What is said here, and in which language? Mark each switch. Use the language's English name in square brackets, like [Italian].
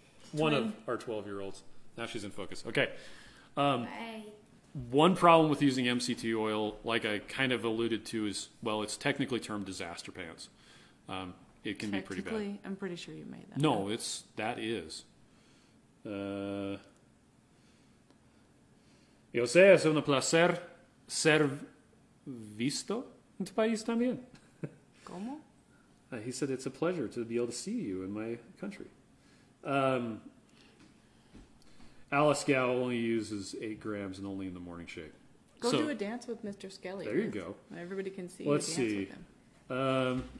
[English] One of our 12-year-olds. Now she's in focus. Okay. Bye. One problem with using MCT oil, like I kind of alluded to, is, well, it's technically termed disaster pants. It can be pretty bad. I'm pretty sure you made that. No, up. It's that is. [Spanish] Yo sé, es un placer ser visto en tu país también. ¿Cómo? [English] He said it's a pleasure to be able to see you in my country. Alice Gow only uses 8 grams and only in the morning shake. Go so, do a dance with Mr. Skelly. There you go. Everybody can see. Let's you see. Dance with him.